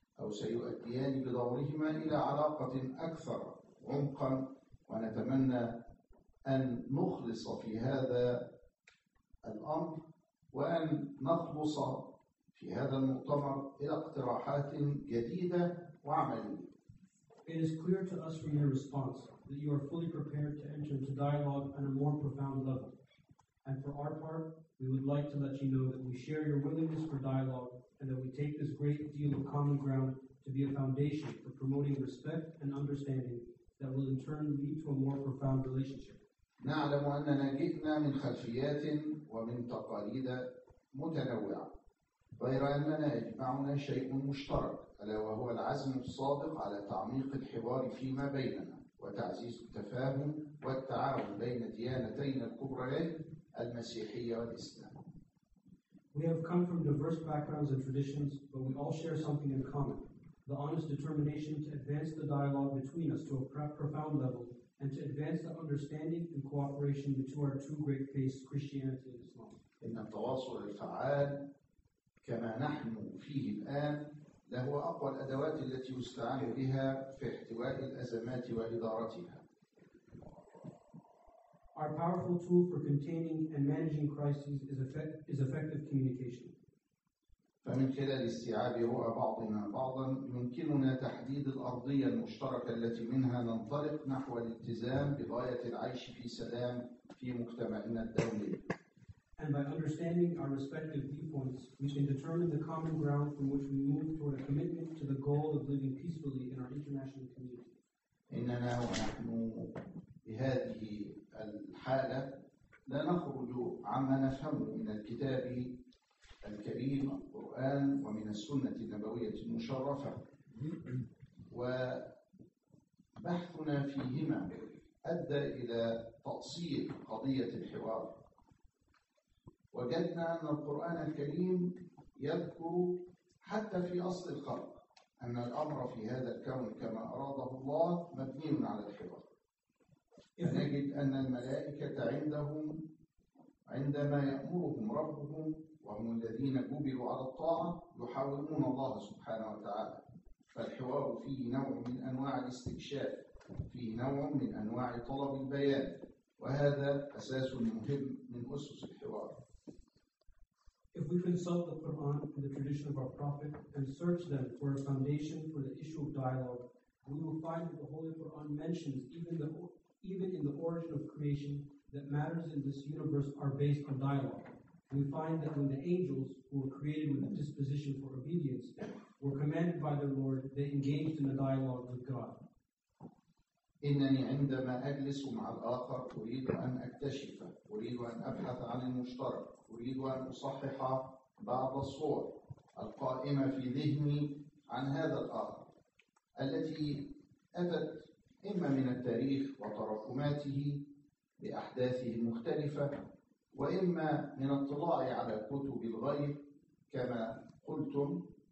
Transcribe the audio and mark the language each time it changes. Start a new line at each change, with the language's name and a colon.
Arabic: سيؤديان بدورهما إلى علاقة أكثر عمقا، ونتمنى أن نخلص في هذا الأمر وأن نخلص في هذا المؤتمر إلى اقتراحات جديدة وعملية.
English: It is clear to us from your response that you are fully prepared to enter into dialogue on a more profound level. And for our part, we would like to let you know that we share your willingness for dialogue and that we take this great deal of common ground to be a foundation for promoting respect and understanding that will in turn lead to a more profound relationship.
Arabic: نعلم أننا جئنا من خلفيات ومن تقاليد متنوعة، غير أننا يجمعنا شيء مشترك، ألا وهو العزم الصادق على تعميق الحوار فيما بيننا وتعزيز التفاهم والتعاون بين ديانتين الكبريين المسيحية والإسلام.
English: We have come from diverse backgrounds and traditions, but we all share something in common: the honest determination to advance the dialogue between us to a profound level and to advance the understanding and cooperation between our two great faiths, Christianity and Islam.
Arabic: إن التواصل الفعال كما نحن فيه الآن لهو أقوى الأدوات التي يستعان بها في احتواء الأزمات وإدارتها.
English: Our powerful tool for containing and managing crises is effective communication.
Arabic: فمن خلال استيعاب رؤى بعضنا بعضا يمكننا تحديد الأرضية المشتركة التي منها ننطلق نحو الالتزام بغاية العيش في سلام في مجتمعنا الدولي.
English: And by understanding our respective viewpoints, we can determine the common ground from which we move toward a commitment to the goal of living peacefully in our international community.
Arabic: إننا ونحن بهذه الحالة لا نخرج عما نفهمه من الكتاب الكريم القرآن ومن السنة النبوية المشرفة وبحثنا فيهما أدى إلى تأصيل قضية الحوار وجدنا أن القرآن الكريم يذكر حتى في أصل الخلق أن الأمر في هذا الكون كما أراده الله مبني على الحوار فنجد أن الملائكة عندهم عندما يأمرهم ربهم وهم الذين جبلوا على الطاعة يحاولون الله سبحانه وتعالى فالحوار فيه نوع من أنواع الاستكشاف فيه نوع من أنواع طلب البيان وهذا أساس مهم من أسس الحوار.
English: If we consult the Quran and the tradition of our Prophet and search them for a foundation for the issue of dialogue, we will find that the Holy Quran mentions even in the origin of creation that matters in this universe are based on dialogue. We find that when the angels, who were created with a disposition for obedience, were commanded by their Lord, they engaged in a dialogue with God.
Arabic: إنني عندما أجلس مع الآخر أريد أن أكتشف، أريد أن أبحث عن المشترك، أريد أن أصحح بعض الصور القائمة في ذهني عن هذا الآخر التي أتت إما من التاريخ وتراكماته بأحداثه المختلفة وإما من الاطلاع على كتب الغيب كما قلتم